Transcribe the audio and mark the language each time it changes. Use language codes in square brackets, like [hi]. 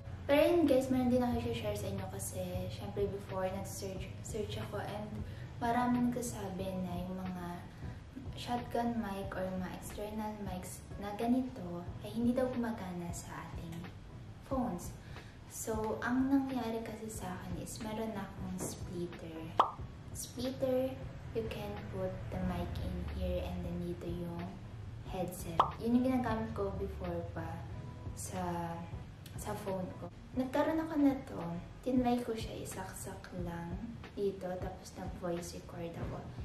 [tl] Pero yun guys, meron din ako i-share sa inyo kasi syempre before, nag-search ako and maraming kasabi na yung mga shotgun mic or mga external mics na ganito ay hindi daw gumagana sa ating phones. So, ang nangyari kasi sa akin is meron akong splitter. [en] Splitter, you can put the mic in here and then dito yung headset. [tl] Yun yung ginagamit ko before pa sa phone ko. Nagkaroon ako na to, tinmay ko siya isaksak lang dito tapos nag-voice record ako.